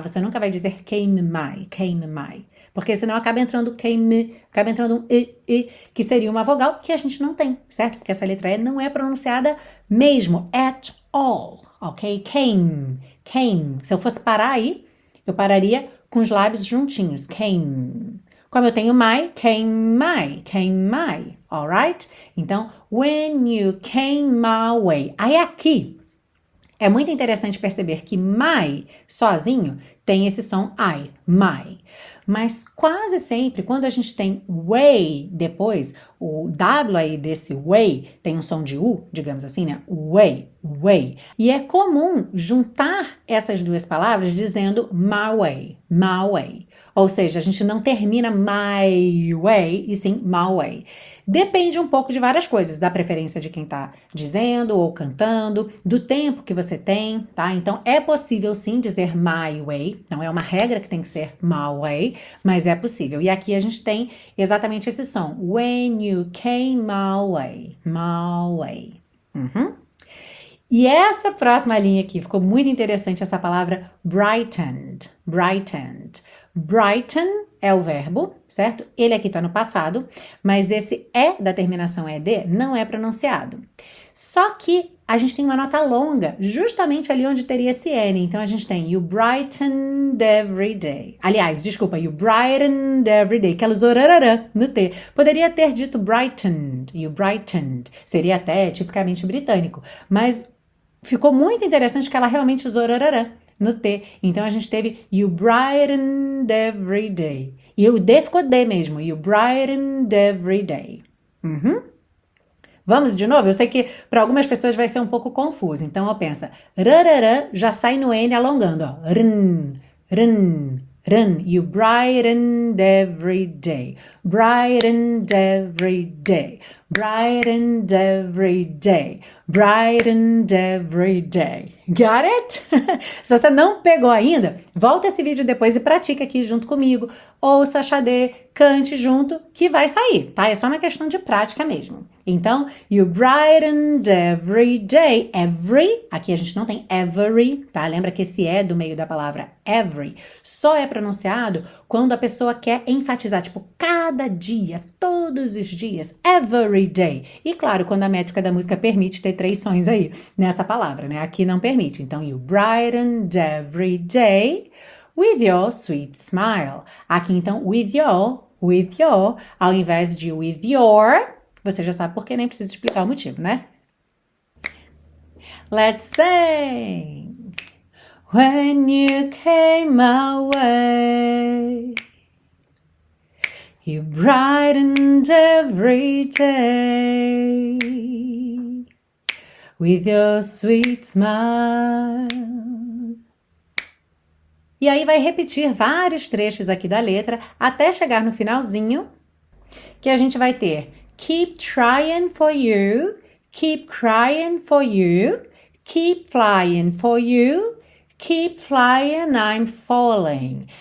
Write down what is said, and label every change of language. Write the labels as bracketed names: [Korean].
[Portuguese] Você nunca vai dizer came my. Porque senão acaba entrando came, acaba entrando um e, que seria uma vogal que a gente não tem, certo? Porque essa letra E não é pronunciada mesmo. [English] At all. [Portuguese] Ok? Came, came. Se eu fosse parar aí, eu pararia com os lábios juntinhos. [English] Came. [Portuguese] Como eu tenho my, came my, [English] all right? [Portuguese] Então, [English] when you came my way. [Portuguese] Aí aqui, é muito interessante perceber que my sozinho tem esse som I, my. Mas quase sempre, quando a gente tem way depois, o W aí desse way tem um som de U, digamos assim, né? Way, way. E é comum juntar essas duas palavras dizendo my way, my way. Ou seja, a gente não termina my way e sim my way. Depende um pouco de várias coisas, da preferência de quem tá dizendo ou cantando, do tempo que você tem, tá? Então é possível sim dizer my way, não é uma regra que tem que ser my way, mas é possível. E aqui a gente tem exatamente esse som. [English] When you came my way, my way. [Portuguese] E essa próxima linha aqui, ficou muito interessante essa palavra brightened, brightened. Brighten é o verbo, certo? Ele aqui tá no passado, mas esse é da terminação ed não é pronunciado. Só que a gente tem uma nota longa, justamente ali onde teria esse n. Então a gente tem [English] you brightened every day. [Portuguese] Aliás, desculpa, you brightened every day, aquela zorarara no T. Poderia ter dito brightened, you brightened. Seria até tipicamente britânico, mas ficou muito interessante que ela realmente usou rarará no T. Então a gente teve [English] you brightened every day. [Portuguese] E o D ficou D mesmo. [English] You brightened every day. [Portuguese] Vamos de novo? Eu sei que para algumas pessoas vai ser um pouco confuso. Então, ó, pensa. Rarará já sai no N alongando. Ó. Rn, rn, rn. [English] You brightened every day. Brightened every day. Brightened every day, brightened every day. Got it? [Portuguese] Se você não pegou ainda, volta esse vídeo depois e pratica aqui junto comigo. Ouça a Xadê, cante junto, que vai sair, tá? É só uma questão de prática mesmo. Então, [English] you brightened every day. [Portuguese] Every, aqui a gente não tem every, tá? Lembra que esse é do meio da palavra every. Só é pronunciado quando a pessoa quer enfatizar, tipo, cada dia, todos os dias, every day. E claro, quando a métrica da música permite ter três sons aí nessa palavra, né? Aqui não permite. [English] Então, you brightened every day with your sweet smile. [Portuguese] Aqui, então, with your, ao invés de with your, você já sabe por quê, nem precisa explicar o motivo, né? [English] Let's sing. When you came my way. You brightened every day with your sweet smile. [Portuguese] E aí vai repetir vários trechos aqui da letra até chegar no finalzinho, que a gente vai ter [English] keep trying for you, [Portuguese] keep crying for you, [English] Keep flying for you, keep flying, I'm falling.